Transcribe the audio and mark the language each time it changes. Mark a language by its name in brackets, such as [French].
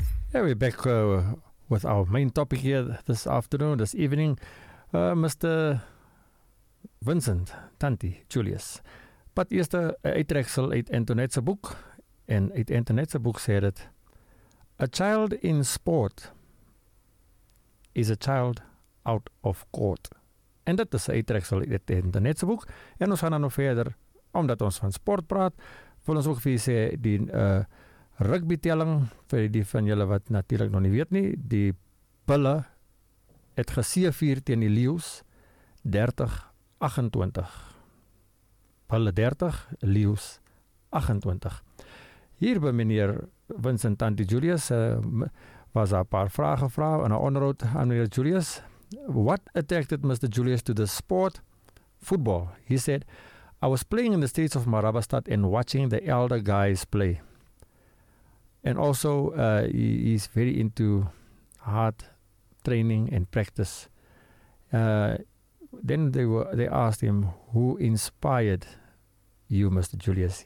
[English] Yeah, we're back with our main topic here this afternoon, this evening. Mr. Vincent Tanti Julius. But yes, [Afrikaans] Uitreksel uit Antoinette's boek. [English] And [Afrikaans] uit Antoinette's boek [English] said it. A child in sport is a child out of court. And that is [Afrikaans] Uitreksel uit Antoinette's boek. En ons gaan dan nog verder, omdat ons van sport praat, wil ons ook vir sê die rugbytelling, vir die van julle wat natuurlijk nog nie weet nie, die Bulle het geseëvier teen die Leeuws 30-28. Bulle 30, Leeuws 28. Hier by meneer Vincent Tanti Julius was daar een paar vrae gevra in een onderhoud aan meneer Julius. [English] What attracted Mr. Julius to the sport? Football. He said, I was playing in the streets of Marabastad and watching the elder guys play. And also, he's very into hard training and practice. Then they asked him, who inspired you, Mr. Julius?